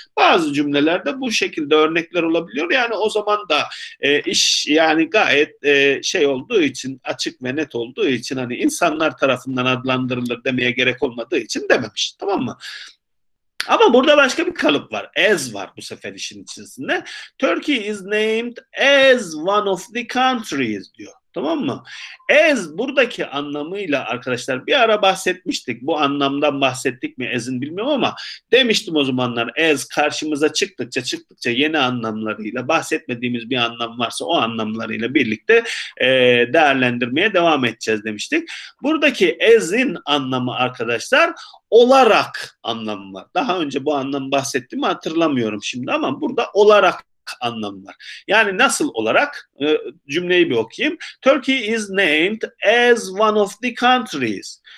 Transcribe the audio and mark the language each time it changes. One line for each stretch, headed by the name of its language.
Turkish: Bazı cümlelerde bu şekilde örnekler olabiliyor. Yani o zaman da iş yani gayet şey olduğu için, açık ve net olduğu için hani insanlar tarafından adlandırılır demeye gerek olmadığı için dememiş, tamam mı? Ama burada başka bir kalıp var. As var bu sefer işin içerisinde.
English: Turkey is named as one of the countries
Turkish: diyor. Tamam mı? As buradaki anlamıyla arkadaşlar bir ara bahsetmiştik. Bu anlamdan bahsettik mi as'in bilmiyorum ama demiştim o zamanlar as karşımıza çıktıkça yeni anlamlarıyla bahsetmediğimiz bir anlam varsa o anlamlarıyla birlikte değerlendirmeye devam edeceğiz demiştik. Buradaki as'in anlamı arkadaşlar olarak anlamı var. Daha önce bu anlamı bahsettim mi hatırlamıyorum şimdi ama burada olarak anlamı var. Yani nasıl olarak cümleyi bir okuyayım.
English: Turkey is named as one of the countries.